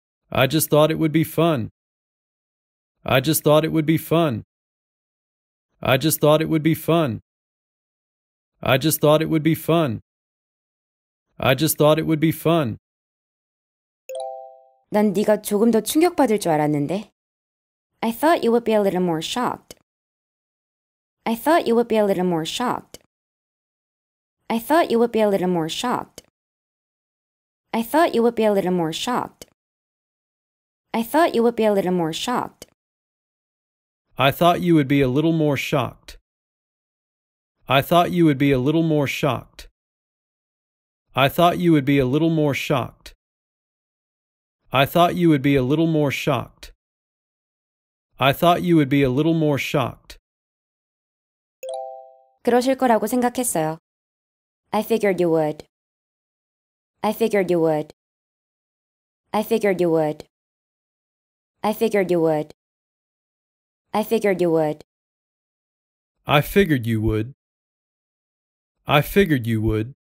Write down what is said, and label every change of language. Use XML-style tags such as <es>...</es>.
<en>I just thought it would be fun. I just thought it would be fun. I just thought it would be fun. I just thought it would be fun. I just thought it would be fun.</en> <ko>난 네가 조금 더 충격받을 줄 알았는데.</ko> <en>I thought you would be a little more shocked. I thought you would be a little more shocked. I thought you would be a little more shocked. I thought you would be a little more shocked. I thought you would be a little more shocked. I thought you would be a little more shocked. I thought you would be a little more shocked. I thought you would be a little more shocked. I thought you would be a little more shocked. I thought you would be a little more shocked.</en> <ko>그러실 거라고 생각했어요.</ko> <en>I figured you would. I figured you would. I figured you would. I figured you would. I figured you would. I figured you would. I figured you would.</en>